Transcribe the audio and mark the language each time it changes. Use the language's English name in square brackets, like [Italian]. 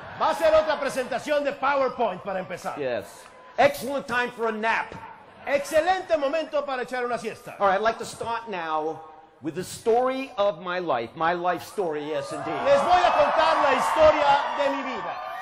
[Spanish] Va a ser otra presentación de PowerPoint para empezar. [English] Yes. Excellent time for a nap. [Spanish] Excelente momento para echar una siesta. [English] All right, I'd like to start now with the story of my life. My life story, yes, indeed. [Spanish] Les voy a contar la historia de mi vida.